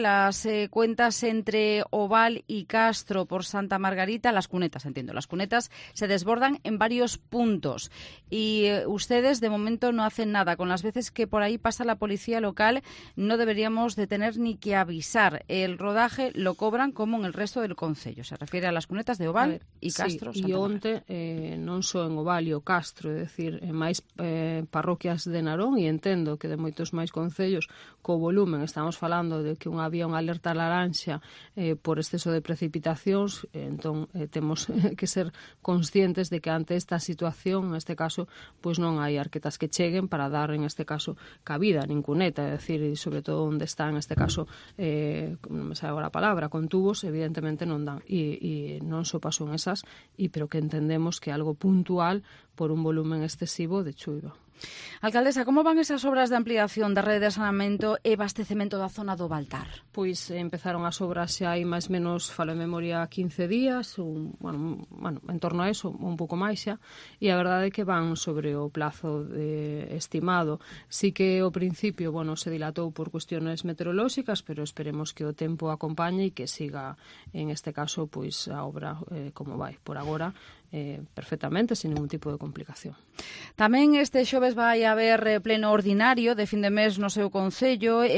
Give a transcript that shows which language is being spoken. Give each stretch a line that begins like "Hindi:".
Spanish: Las cuentas entre Oval y Castro por Santa Margarita, las cunetas, entiendo, las cunetas, se desbordan en varios puntos. Y ustedes, de momento, no hacen nada. Con las veces que por ahí pasa la policía local, no deberíamos detener ni que avisar. El rodaje lo cobran como en el resto del concello. Se refiere a las cunetas de Oval y Castro.
Galician: Sí, y onte, non só en Oval y o Castro,
Spanish: es decir,
Galician: en máis parroquias de Narón, e entendo que de moitos máis concellos, co volumen, estamos falando de que había unha alerta laranxa por exceso de precipitacións, entón temos que ser conscientes de que ante esta situación, en este caso, pues non hai arquetas que cheguen para dar, en este caso, cabida, nin cuneta, é dicir, sobre todo onde está, en este caso, non me sabe agora a palabra, con tubos, evidentemente non dan, e non só pasou en esas, e pero que entendemos que algo puntual por un volumen excesivo de chuva. Alcaldesa, como van esas obras de ampliación da rede de saneamento e abastecemento da zona do Baltar? Pois empezaron as obras xa hai máis menos, falo en memoria, 15 días, en torno a eso, un pouco máis xa, e a verdade é que van sobre o plazo de estimado. Sí que o principio, bueno, se dilatou por cuestiones meteorolóxicas, pero esperemos que o tempo acompañe e que siga, en este caso, pois a obra como vai por agora, perfectamente,
Spanish: sin ningún tipo de complicación.
Galician: Tamén este xoves vai haber pleno ordinario de fin de mes no seu concello.